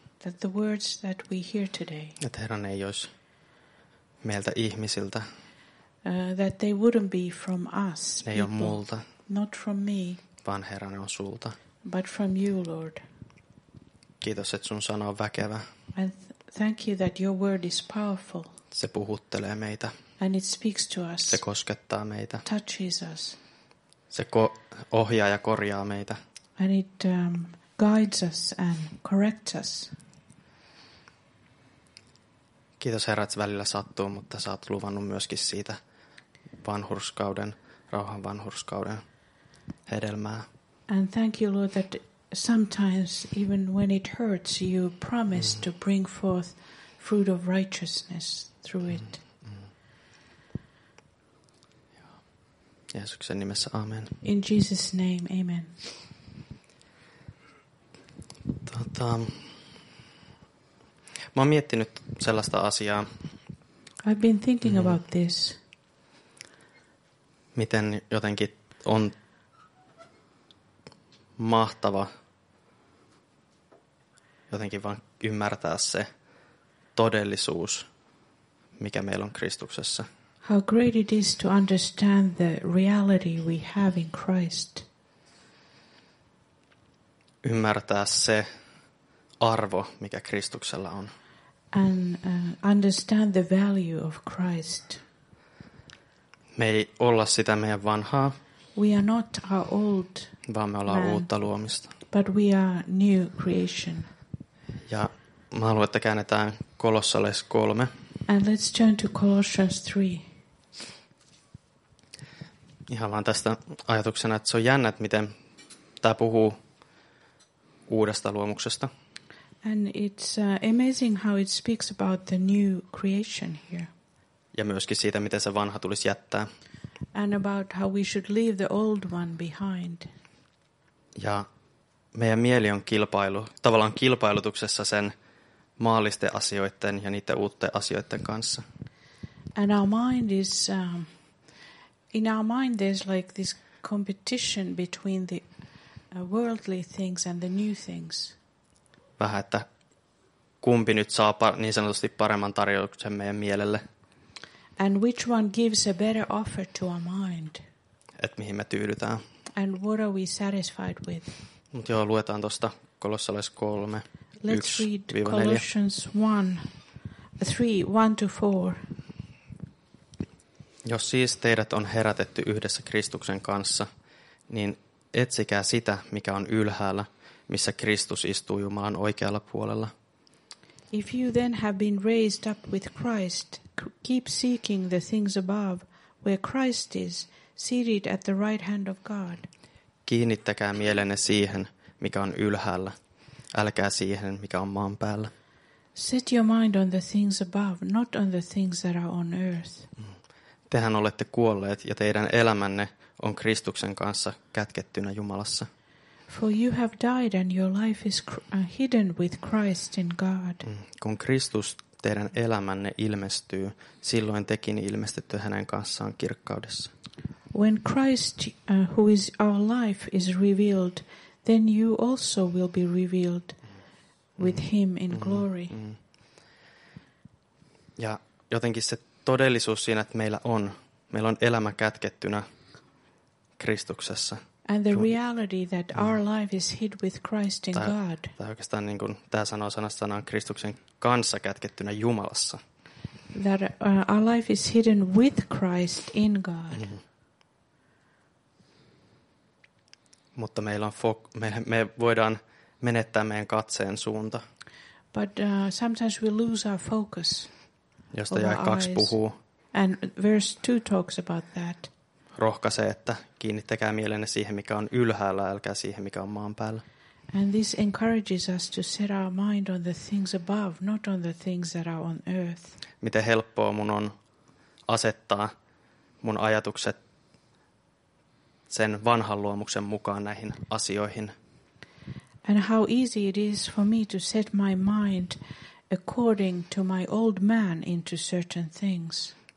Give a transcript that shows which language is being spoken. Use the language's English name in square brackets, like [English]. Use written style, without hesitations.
[English] That the words that we hear today. [Finnish] Että Herra, ne ei olisi meiltä ihmisiltä. [English] That they wouldn't be from us. [Finnish] Ne ei ole multa. [English] Not from me. [Finnish] Vaan Herra, ne on sulta. [English] But from you, Lord. [Finnish] Kiitos, että sun sana on väkevä. [English] And thank you that your word is powerful. [Finnish] Se puhuttelee meitä. [English] And it speaks to us. [Finnish] Se koskettaa meitä. [English] Touches us. [Finnish] Se ohjaa ja korjaa meitä. [English] And it guides us and corrects us. [Finnish] Kiitos, Herra, että välillä sattuu, mutta sä oot luvannut myöskin siitä vanhurskauden, rauhan vanhurskauden hedelmää. [English] And thank you, Lord, that sometimes even when it hurts, you promise to bring forth fruit of righteousness through it. [Finnish] Jeesuksen nimessä, amen. [English] In Jesus' name, amen. [Finnish] Mä oon miettinyt sellaista asiaa. [English] I've been thinking about this. [Finnish] Miten jotenkin on mahtava jotenkin vaan ymmärtää se todellisuus, mikä meillä on Kristuksessa. [English] How great it is to understand the reality we have in Christ. [Finnish] Ymmärtää se arvo, mikä Kristuksella on. [English] And understand the value of Christ. [Finnish] Me ei olla sitä meidän vanhaa. [English] We are not our old man. [Finnish] Vaan me ollaan uutta luomista. [English] But we are new creation. [Finnish] Ja mä haluan, että käännetään Kolossalais 3. [English] And let's turn to Colossians 3. [Finnish] Ihan vaan tästä ajatuksena, että se on jännä, että miten tämä puhuu uudesta luomuksesta. [English] And it's amazing how it speaks about the new creation here. [Finnish] Ja myöskin siitä, miten se vanha tulisi jättää. [English] And about how we should leave the old one behind. [Finnish] Ja meidän mieli on kilpailutuksessa sen maallisten asioiden ja niiden uutten asioiden kanssa. [English] And our mind is in our mind there's like this competition between the worldly things and the new things. [Finnish] Vähän, että kumpi nyt saa niin sanotusti paremman tarjouksen meidän mielelle. [English] And which one gives a better offer to our mind? [Finnish] Et mihin me tyydytään. [English] And what are we satisfied with? [Finnish] Mut joo, luetaan tuosta Kolossalais 3. [English] Let's [Finnish] 1-4. [English] Read Colossians 1:3-4. [Finnish] Jos siis teidät on herätetty yhdessä Kristuksen kanssa, niin etsikää sitä, mikä on ylhäällä, missä Kristus istuu Jumalan oikealla puolella. [English] If you then have been raised up with Christ, keep seeking the things above, where Christ is, seated at the right hand of God. [Finnish] Kiinnittäkää mielenne siihen, mikä on ylhäällä, älkää siihen, mikä on maan päällä. [English] Set your mind on the things above, not on the things that are on earth. [Finnish] Tehän olette kuolleet ja teidän elämänne on Kristuksen kanssa kätkettynä Jumalassa. [English] For you have died and your life is hidden with Christ in God. [Finnish] Kun Kristus teidän elämänne ilmestyy, silloin tekin ilmestytty hänen kanssaan kirkkaudessa. [English] When Christ, who is our life, is revealed, then you also will be revealed with him in glory. [Finnish] Ja jotenkin se todellisuus siinä, että meillä on elämä kätkettynä Kristuksessa. [English] And the reality that our life is hid with Christ in God. [Finnish] Tai oikeastaan niin kuin tämä sanoo sanastaan Kristuksen kanssa kätkettynä Jumalassa. [English] That our life is hidden with Christ in God. [Finnish] Mutta me voidaan menettää meidän katseen suunta. [English] But sometimes we lose our focus. [Finnish] Josta jäi 2 puhuu. [English] And verse 2 talks about that. [Finnish] Rohkaisee, että kiinnittäkää mielenne siihen, mikä on ylhäällä, älkää siihen, mikä on maan päällä. [English] And this encourages us to set our mind on the things above, not on the things that are on earth. [Finnish] Miten helppoa mun on asettaa mun ajatukset sen vanhan luomuksen mukaan näihin asioihin. [English] And how easy it is for me to set my mind according to my old man into certain things.